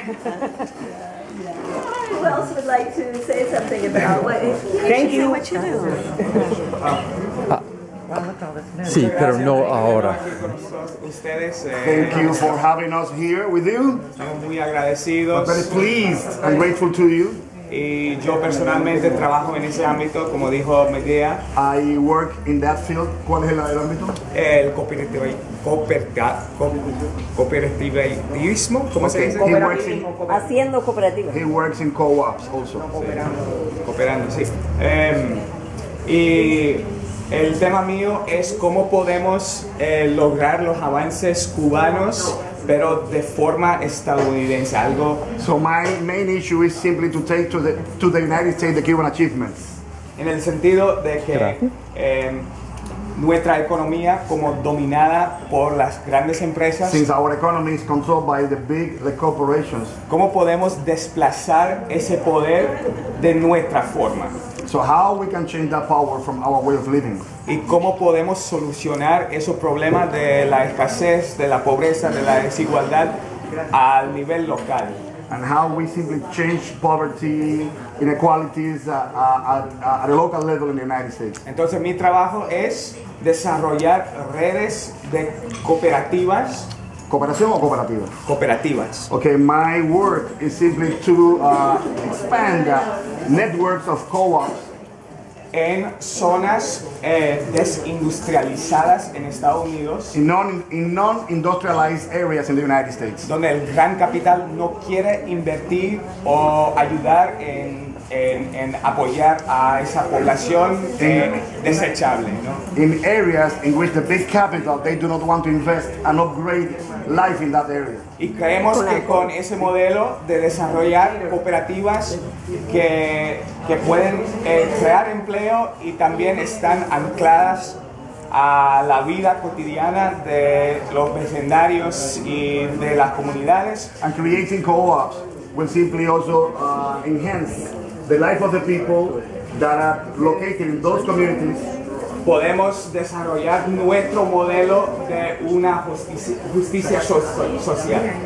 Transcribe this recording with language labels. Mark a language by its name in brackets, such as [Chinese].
[English] Who else would like to say something about what you do? Thank you. [Spanish] Sí, pero no ahora. [English] Thank you for having us here with you. [Spanish] Estamos muy agradecidos. [English] Very pleased and grateful to you. [Spanish] Y yo personalmente trabajo en ese ámbito, como dijo Medea. [English] I work in that field. [Spanish] ¿Cuál es el ámbito? El cooperativismo. ¿Cómo se dice? [English] He works in [Spanish] haciendo cooperativas. [English] He works in co-ops also. [Spanish] Cooperando, sí. Y el tema mío es cómo podemos lograr los avances cubanos, pero de forma estadounidense. Algo. [English] So my main issue is simply to take to the United States the Cuban achievements. [Spanish] En el sentido de que nuestra economía como dominada por las grandes empresas. [English] Since our economy is controlled by the big corporations. [Spanish] ¿Cómo podemos desplazar ese poder de nuestra forma? [English] So how we can change that power from our way of living? [Spanish] ¿Y cómo podemos solucionar esos problemas de la escasez, de la pobreza, de la desigualdad al nivel local? [English] And how we simply change poverty, inequalities at a local level in the United States. [Spanish] Entonces mi trabajo es desarrollar redes de cooperativas. ¿Cooperación o cooperativas? Cooperativas. [English] Okay, my work is simply to expand networks of co-ops [Spanish] en zonas desindustrializadas en Estados Unidos. [English] In non-industrialized areas in the United States. [Spanish] Donde el gran capital no quiere invertir o ayudar en apoyar a esa población desechable, ¿no? [English] In areas in which the big capital, they do not want to invest and upgrade life in that area. [Spanish] Y creemos que con ese modelo de desarrollar cooperativas que pueden crear empleo y también están ancladas a la vida cotidiana de los vecindarios y de las comunidades. [English] And creating co-ops will simply also enhance the life of the people that are located in those communities. [Spanish] Podemos desarrollar nuestro modelo de una justicia social.